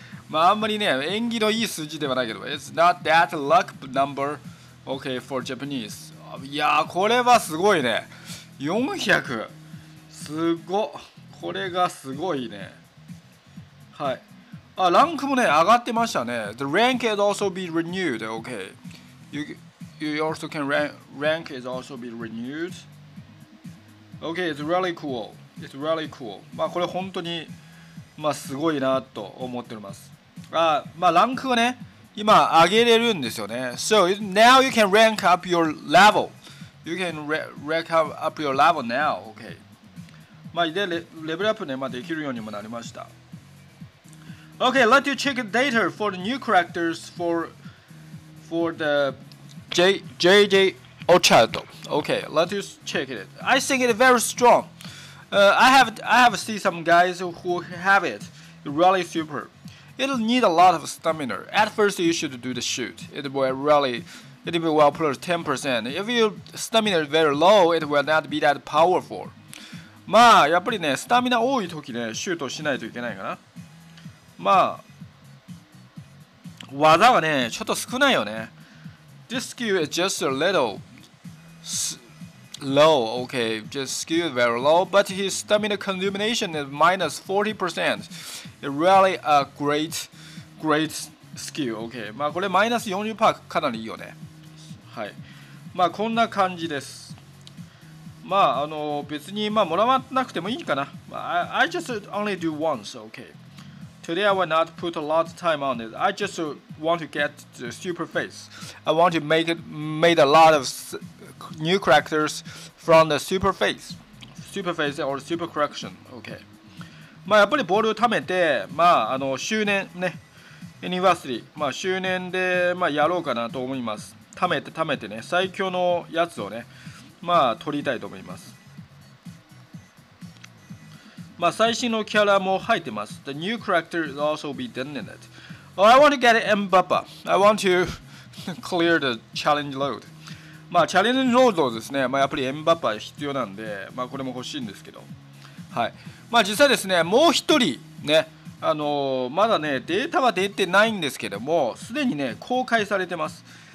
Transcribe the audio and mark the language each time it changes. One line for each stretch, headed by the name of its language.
Japanese: まああんまりね、縁起のいい数字ではないけど、
English: It's not that luck number, okay, for Japanese.
Japanese: いやー、これはすごいね。 400! すごっ。これがすごいね。はい。あ、ランクもね、上がってましたね。
English: The rank has also been renewed, okay. You also can rank has also been renewed. Okay, it's really cool. It's really cool.
Japanese: まあこれ本当に、まあ、すごいなと思っております。あ、まあランクがね、今上げれるんですよね。
English: So now you can rank up your level. You can rank up your level now. Okay.
Japanese: まあでレベルアップね、まあ、できるようにもなりました。
English: Okay, let you check the data for the new characters for the JJ Ochado. Okay, let you check it. I think it's very strong. I have seen some guys who have it. Really super. It'll need a lot of stamina. At first, you should do the shoot. It will really It will well plus 10%. If your stamina is very low, it will not be that powerful.
Japanese: まあ、やっぱりね、スタミナ多い時ね、シュートしないといけないかな。まあ、技はね、ちょっと少ないよね。
English: This skill is just a little low, okay. Just skill is very low, but his stamina consumption is minus 40%. It's really a great, great skill, okay.
Japanese: まあ、これマイナス 40% かなりいいよね。はい。まあ、こんな感じです。まあ、別に、まあ、もらわなくてもいいかな。
English: I just only do once, okay. Today I will not put a lot of time on it. I just want to get the super face. I want to make a lot of new characters from the super face. Super face or super correction, okay.
Japanese: まあ、やっぱりボールを貯めて、まあ、周年ね、ユニバーサリー、まあ、周年で、まあ、やろうかなと思います。貯めてね、最強のやつをね、まあ取りたいと思います。まあ最新のキャラも入ってます。
English: The new character is also be done in it. Oh, I want to get Mbappa. I want to clear the challenge load.
Japanese: まあチャレンジロードですね。まあやっぱり Mbappa 必要なんで、まあこれも欲しいんですけど。はい。まあ実際ですね、もう一人ね、まだね、データは出てないんですけども、すでにね、公開されてます。